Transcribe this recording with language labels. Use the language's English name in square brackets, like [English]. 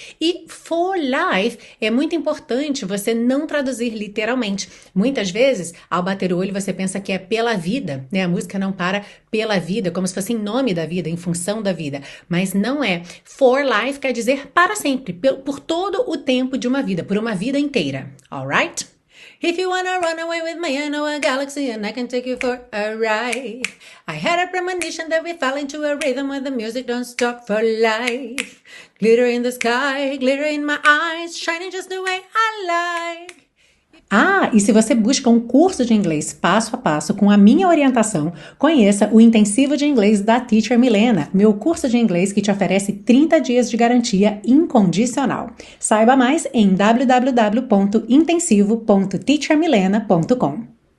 [Portuguese] E [English] for life [Portuguese] é muito importante você não traduzir literalmente. Muitas vezes, ao bater o olho, você pensa que é pela vida, né? A música não para pela vida, como se fosse em nome da vida, em função da vida. Mas não é. [English] For life [Portuguese] quer dizer para sempre, por todo o tempo de uma vida, por uma vida inteira. [English] All right? If you wanna run away with me, I know a galaxy and I can take you for a ride. I had a premonition that we fell into a rhythm where the music don't stop for life. Glitter in the sky, glitter in my eyes, shining just the way I like. [Portuguese] Ah, e se você busca um curso de inglês passo a passo com a minha orientação, conheça o Intensivo de Inglês da Teacher Milena, meu curso de inglês que te oferece 30 dias de garantia incondicional. Saiba mais em www.intensivo.teachermilena.com.